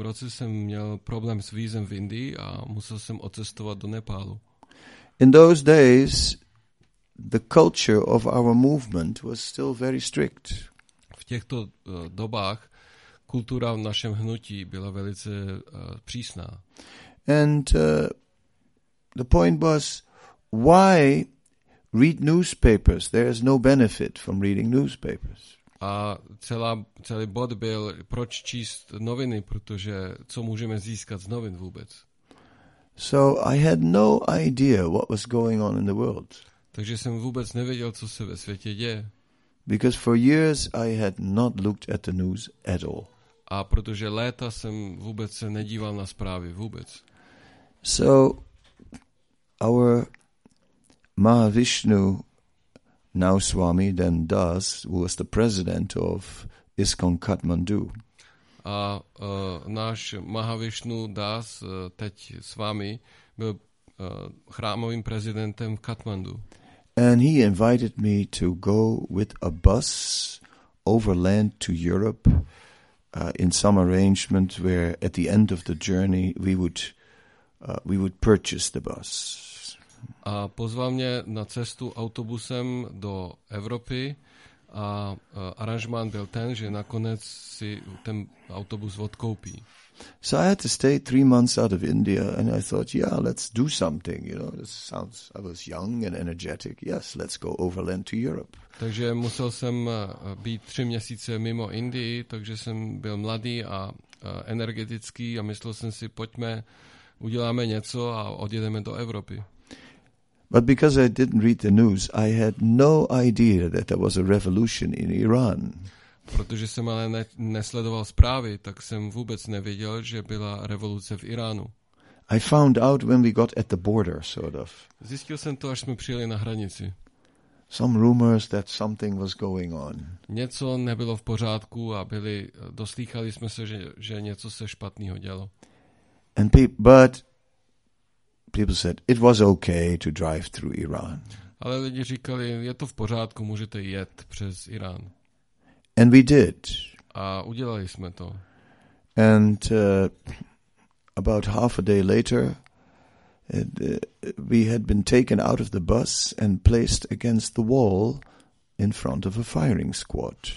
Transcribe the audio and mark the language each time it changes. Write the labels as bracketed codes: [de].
[cs] roce jsem měl problém s vízem v Indii a musel jsem odcestovat do Nepálu. [en] In those days, the culture of our movement was still very strict. [cs] V těchto dobách kultura v našem hnutí byla velice přísná. [en] And the point was, why read newspapers? There is no benefit from reading newspapers. [cs] A celý bod byl, proč číst noviny, protože co můžeme získat z novin vůbec? [en] So I had no idea what was going on in the world. [cs] Takže jsem vůbec nevěděl, co se ve světě děje. [en] Because for years I had not looked at the news at all. [cs] A protože léta jsem vůbec se nedíval na zprávy vůbec. [en] So our Mahavishnu now Swami then Das was the president of ISKCON Kathmandu. [cs] A náš Mahavishnu Das teď Swami byl chrámovým prezidentem v Kathmandu. [en] And he invited me to go with a bus overland to Europe in some arrangement where at the end of the journey we would purchase the bus. [cs] A pozval mě na cestu autobusem do Evropy a aranžmán byl ten, že nakonec si ten autobus odkoupí. [en] So I had to stay 3 months out of India and I thought, yeah, let's do something, you know, this sounds, I was young and energetic, yes, let's go overland to Europe. [cs] Takže musel jsem být 3 měsíce mimo Indii, takže jsem byl mladý a energetický a myslel jsem si, pojďme, uděláme něco a odjedeme do Evropy. [en] But because I didn't read the news, I had no idea that there was a revolution in Iran. [cs] Protože jsem ale nesledoval zprávy, tak jsem vůbec nevěděl, že byla revoluce v Iránu. [en] I found out when we got at the border, sort of. [cs] Zjistil jsem to, až jsme přijeli na hranici. [en] Some rumors that something was going on. [cs] Něco nebylo v pořádku a doslýchali jsme se, že něco se špatného dělo. [en] And people said it was okay to drive through Iran. [cs] Ale lidi říkali, je to v pořádku, můžete jet přes Irán. [en] And we did. [cs] A udělali jsme to. [en] And about half a day later, we had been taken out of the bus and placed against the wall in front of a firing squad.